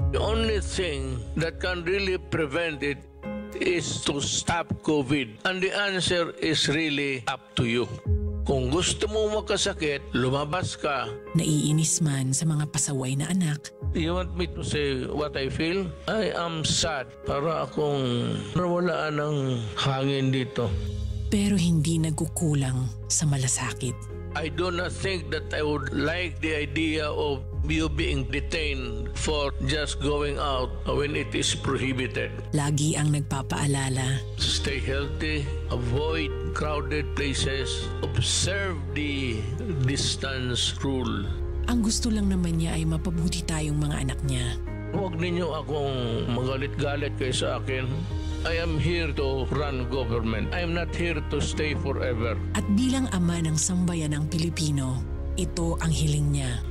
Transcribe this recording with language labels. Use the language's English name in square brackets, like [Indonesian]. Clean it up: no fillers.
[English] The only thing that can really prevent it is to stop COVID. And the answer is really up to you. [Filipino] Kung gusto mo magkasakit, lumabas ka. Naiinis man sa mga pasaway na anak. [English] You want me to say what I feel? I am sad. [Filipino] Para akong nawalaan ng hangin dito. Pero hindi nagkukulang sa malasakit. [English] I do not think that I would like the idea of you being detained for just going out when it is prohibited. [Filipino] Lagi ang nagpapaalala. [English] Stay healthy, avoid crowded places, observe the distance rule. [Filipino] Ang gusto lang naman niya ay mapabuti tayong mga anak niya. Huwag ninyo akong magalit-galit kayo sa akin. [English] I am here to run government. I am not here to stay forever. [Filipino] At bilang ama ng sambayan ng Pilipino, ito ang hiling niya.